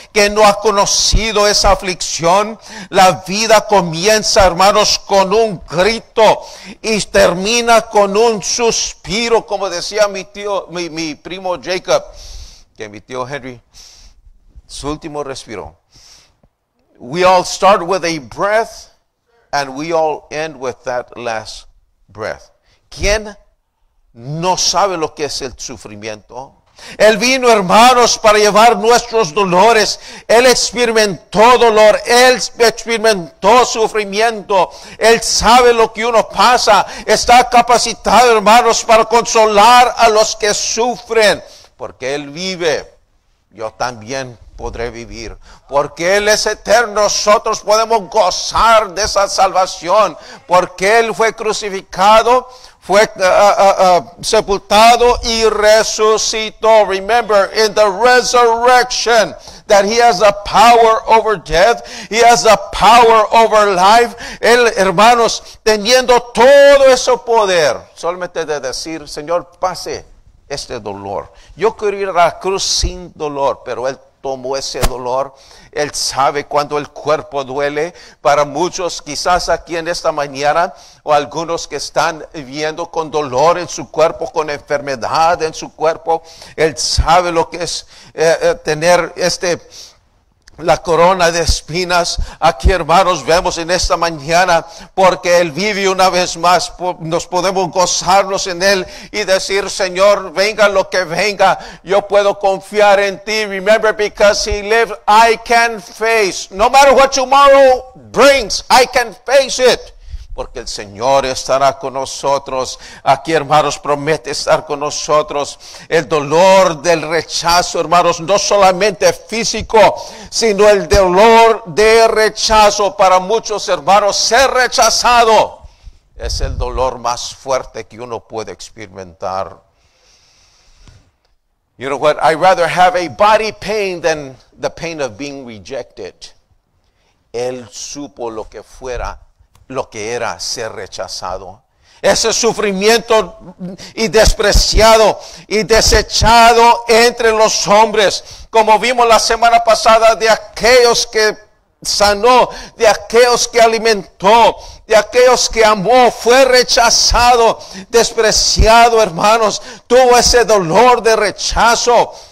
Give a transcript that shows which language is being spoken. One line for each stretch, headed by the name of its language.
Spanish: Que no ha conocido esa aflicción. La vida comienza, hermanos, con un grito y termina con un suspiro. Como decía mi tío, mi primo Jacob, que mi tío Henry, su último respiro.
English: We all start with a breath and we all end with that last breath.
Spanish: ¿Quién no sabe lo que es el sufrimiento? Él vino, hermanos, para llevar nuestros dolores. Él experimentó dolor. Él experimentó sufrimiento. Él sabe lo que uno pasa. Está capacitado, hermanos, para consolar a los que sufren. Porque Él vive. Yo también podré vivir, porque Él es eterno. Nosotros podemos gozar de esa salvación, porque Él fue crucificado, fue sepultado y resucitó.
English: Remember, in the resurrection, that He has the power over death, He has the power over life.
Spanish: Él, hermanos, teniendo todo ese poder, solamente de decir, Señor, pase este dolor. Yo quiero ir a la cruz sin dolor, pero Él tomó ese dolor. Él sabe cuando el cuerpo duele. Para muchos, quizás aquí en esta mañana, o algunos que están viviendo con dolor en su cuerpo, con enfermedad en su cuerpo, Él sabe lo que es tener este, la corona de espinas. Aquí, hermanos, vemos en esta mañana, porque Él vive una vez más, nos podemos gozarnos en Él y decir, Señor, venga lo que venga, yo puedo confiar en Ti.
English: Remember, because He lived, I can face, no matter what tomorrow brings, I can face it.
Spanish: Porque el Señor estará con nosotros. Aquí, hermanos, promete estar con nosotros. El dolor del rechazo, hermanos, no solamente físico, sino el dolor de rechazo. Para muchos, hermanos, ser rechazado es el dolor más fuerte que uno puede experimentar.
English: You know what? I'd rather have a body pain than the pain of being rejected.
Spanish: Él supo lo que fuera, lo que era ser rechazado. Ese sufrimiento y despreciado y desechado entre los hombres, como vimos la semana pasada, de aquellos que sanó, de aquellos que alimentó, de aquellos que amó, fue rechazado, despreciado, hermanos. Tuvo ese dolor de rechazo.